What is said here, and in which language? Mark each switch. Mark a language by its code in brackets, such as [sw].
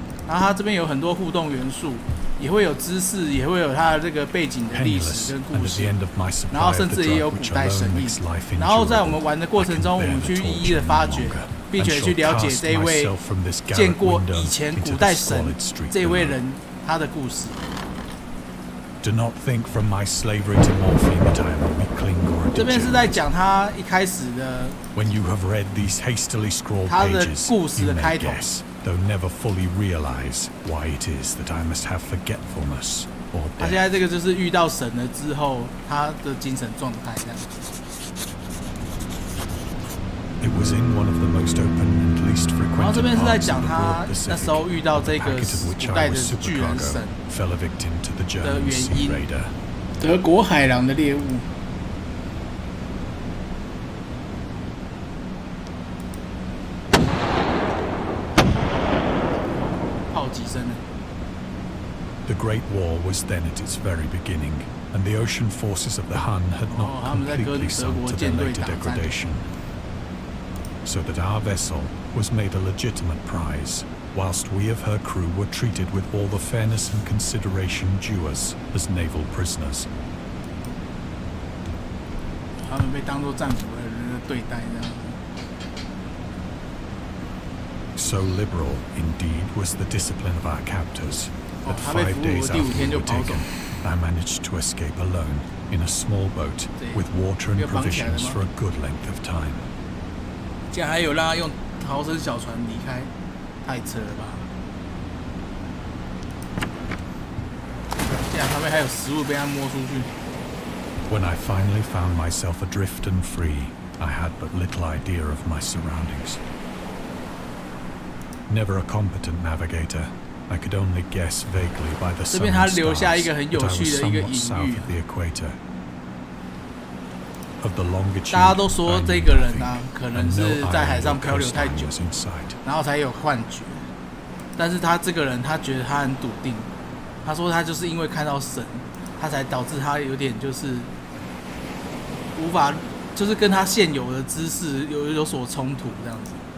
[zh] 然后他这边有很多互动元素，也会有知识，也会有他的这个背景的历史跟故事，然后甚至也有古代神秘。然后在我们玩的过程中，我们去一一的发掘。并且去了解这一位见过以前古代神这位人他的故事。 [en] Do not think from my slavery to morphine that I am a weakling or a degenerate. [zh] 这边是在讲他一开始的。 [en] When you have read these hastily scrawled pages, you may guess, though never fully realize why it is that I must have forgetfulness or death. [zh] 他现在这个就是遇到神了之后他的精神状态这样。 [en] It was in one of the most open and least frequented parts of the world Pacific, where the packet of which I was supercargo fell a victim to the German sea raider. [zh] 德国海狼的猎物。炮击声。 [en] The Great War was then at its very beginning, and the ocean forces of the Hun had not completely sunk to their later degradation. So that our vessel was made a legitimate prize, whilst we of her crew were treated with all the fairness and consideration due us as naval prisoners. [zh] 他们被当作战俘的人的对待这样子。 [en] So liberal indeed was the discipline of our captors that 5 days after we were taken, I managed to escape alone in a small boat with water and provisions for a good length of time. [zh] 竟然还有让他用逃生小船离开，太扯了吧！竟然旁边还有食物被他摸出去。 [en] When I finally found myself adrift and free, I had but little idea of my surroundings. Never a competent navigator, I could only guess vaguely by the sun and stars. [zh] 这边他留下一个很有趣的一个隐喻。 [en] South of the equator. Of the longitude, [zh] 大家都说这个人啊，可能是在海上漂流太久，然后才有幻觉。但是他这个人，他觉得他很笃定。他说他就是因为看到神，他才导致他有点就是无法，就是跟他现有的知识有所冲突这样子。